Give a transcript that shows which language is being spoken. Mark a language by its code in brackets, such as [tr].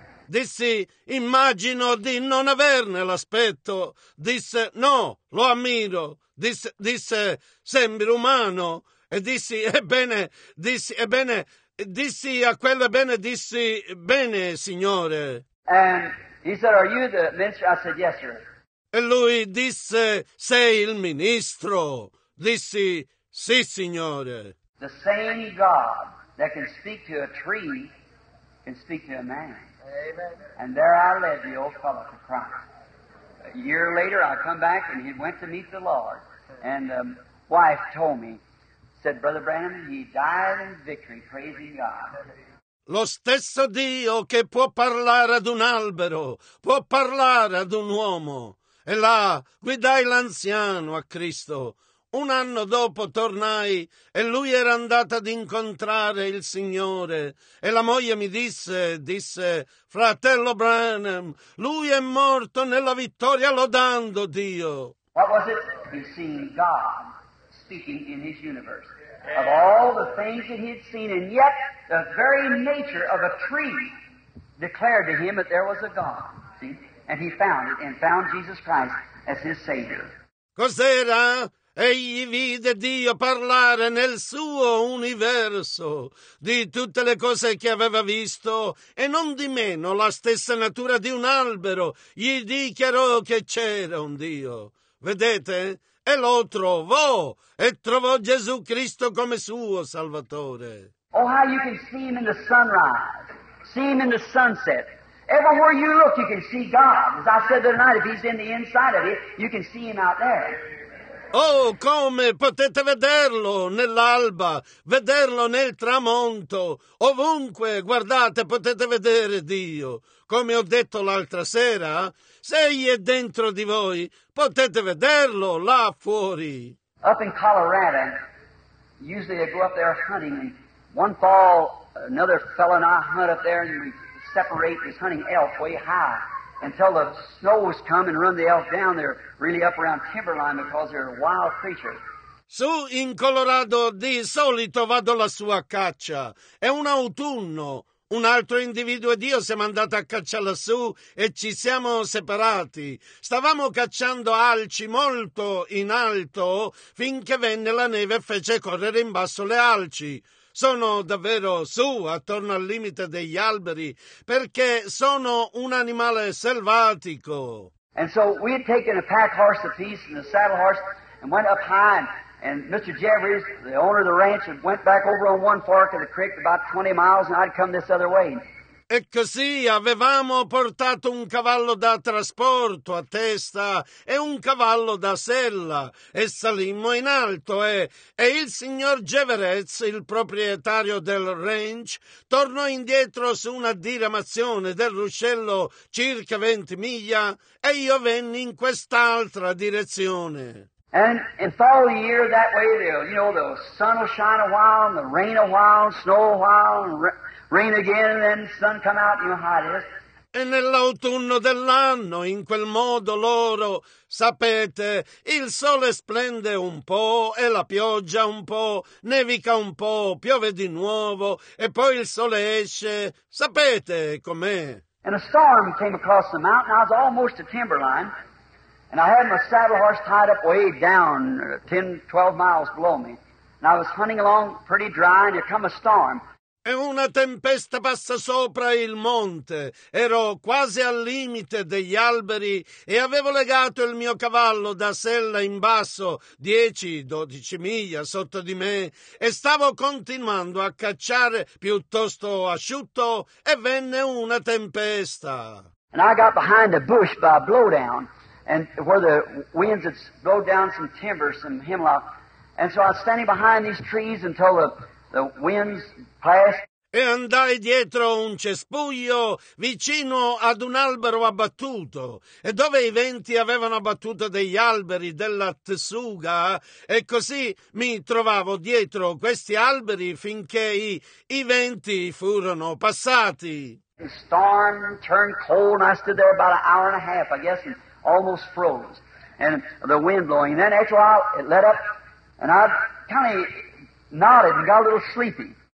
[it] Dissi, immagino di non averne l'aspetto. Disse, no, lo ammiro. Disse, sembri umano. E dissi, ebbene, dissi a quello, ebbene, dissi, bene, signore. [en] And he said, are you the minister? I said, yes, sir. [it] E lui disse, sei il ministro. Dissi, sì, signore. [en] The same God that can speak to a tree can speak to a man. Amen. And there I led the old fellow to Christ. A year later, I come back and he went to meet the Lord. And the wife told me, said, Brother Branham, he died in victory, praising God. [it] Lo stesso Dio che può parlare ad un albero, può parlare ad un uomo. E là guidai l'anziano a Cristo. Un anno dopo tornai e lui era andato ad incontrare il Signore. E la moglie mi disse, fratello Branham, lui è morto nella vittoria lodando Dio. [en] What was it? He seen God speaking in his universe. Of all the things that he had seen, and yet the very nature of a tree declared to him that there was a God. See? And he found it, and found Jesus Christ as his Savior. [it] Cos'era? Egli vide Dio parlare nel suo universo di tutte le cose che aveva visto, e non di meno la stessa natura di un albero. Gli dichiarò che c'era un Dio. Vedete? e lo trovò e trovò Gesù Cristo come suo Salvatore. [en] Oh, how you can see him in the sunrise, see him in the sunset. Everywhere you look, you can see God. As I said the other night, if he's in the inside of you, you can see him out there. [it] Oh, come potete vederlo nell'alba, vederlo nel tramonto. Ovunque, guardate, potete vedere Dio. Come ho detto l'altra sera, se egli è dentro di voi, potete vederlo là fuori. [en] Up in Colorado, usually they go up there hunting. And one fall, another fellow and I hunt up there, and we separate this hunting elk way high. Until the snow has come and run the elk down, they're really up around timberline because they're a wild creature. [it] Su in Colorado di solito vado alla sua caccia. È un autunno. Un altro individuo ed io siamo andati a caccia lassù e ci siamo separati. Stavamo cacciando alci molto in alto finché venne la neve e fece correre in basso le alci. Sono davvero su, attorno al limite degli alberi, perché sono un animale selvatico. [en] And so we had taken a pack horse apiece and a saddle horse and went up high, and Mr. Jeffries, the owner of the ranch, went back over on one fork of the creek about 20 miles and I'd come this other way. [it] E così avevamo portato un cavallo da trasporto a testa e un cavallo da sella e salimmo in alto e il signor Jeffries, il proprietario del ranch, tornò indietro su una diramazione del ruscello circa 20 miglia e io venni in quest'altra direzione. [en] And in fall of the year that way, you know, the sun will shine a while, and the rain a while, snow a while, and rain again, and then sun come out, you know how it is. [it] E nell'autunno dell'anno, in quel modo loro, sapete, il sole splende un po' e la pioggia un po', nevica un po', piove di nuovo, e poi il sole esce, sapete com'è. [en] And a storm came across the mountain, I was almost a timberline. And I had my saddle horse tied up way down 10, 12 miles below me. And I was hunting along pretty dry, and here come a storm. [it] E una tempesta passa sopra il monte. Ero quasi al limite degli alberi e avevo legato il mio cavallo da sella in basso, 10-12 miglia sotto di me, e stavo continuando a cacciare piuttosto asciutto, e venne una tempesta. [en] And I got behind a bush by a blowdown. And where the winds had blown down some timber, some hemlock. And so I was standing behind these trees until the winds passed. [it] E andai dietro un cespuglio vicino ad un albero abbattuto. E dove i venti avevano abbattuto degli alberi della tessuga. E così mi trovavo dietro questi alberi finché i venti furono passati. [en] The storm turned cold and I stood there about an hour and a half, I guess. Almost froze, and the wind blowing. And then after a while, it let up, and I kind of nodded and got a little sleepy.